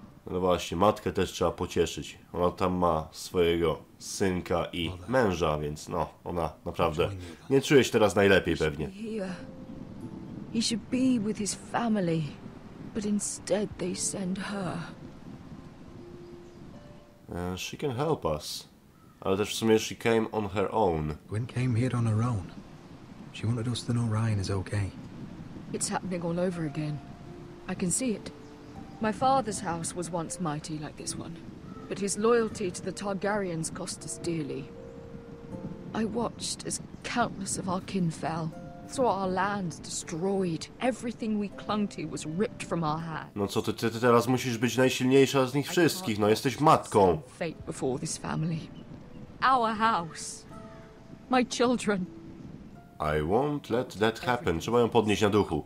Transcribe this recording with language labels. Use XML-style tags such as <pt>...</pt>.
<pl>No właśnie, matkę też trzeba pocieszyć. Ona tam ma swojego synka i męża, więc no, ona naprawdę nie czuje się teraz najlepiej pewnie.</pl> <en>He should be with his family, but instead they send her. She can help us.</en> <pl>Ale też w sumie</pl> <en>she came on her own. Gwyn came here on her own. She wanted us to know Ryan is okay. It's happening all over again. I can see it. My father's house was once mighty like this one, but his loyalty to the Targaryens cost us dearly. I watched as countless of our kin fell, saw our lands destroyed, everything we clung to was ripped from our hands.</en> <pl>No co, ty teraz musisz być najsilniejsza z nich wszystkich, no jesteś matką.</pl> <en>Fate before this family. Our house. My children. I won't let that happen.</en> <pl>Trzeba ją podnieść na duchu.</pl>